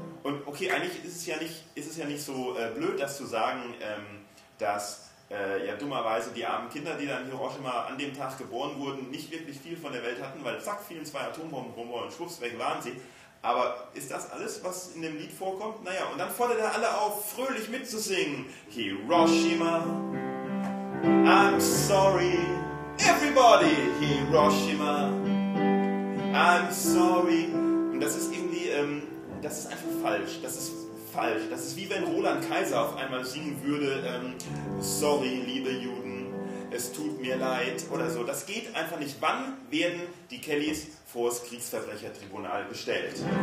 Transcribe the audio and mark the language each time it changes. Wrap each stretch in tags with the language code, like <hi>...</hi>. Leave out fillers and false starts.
<de>Und okay, eigentlich ist es ja nicht so blöd, das zu sagen, dass dummerweise die armen Kinder, die dann in Hiroshima an dem Tag geboren wurden, nicht wirklich viel von der Welt hatten, weil zack, fielen 2 Atombomben rum und schwupps, weg waren sie. Aber ist das alles, was in dem Lied vorkommt? Naja, und dann fordert er alle auf, fröhlich mitzusingen.</de> <en>Hiroshima, I'm sorry, everybody, Hiroshima, I'm sorry.</en> <de>Und das ist irgendwie... das ist einfach falsch. Das ist falsch. Das ist wie wenn Roland Kaiser auf einmal singen würde, sorry, liebe Juden, es tut mir leid oder so. Das geht einfach nicht. Wann werden die Kellys vors Kriegsverbrechertribunal gestellt?</de>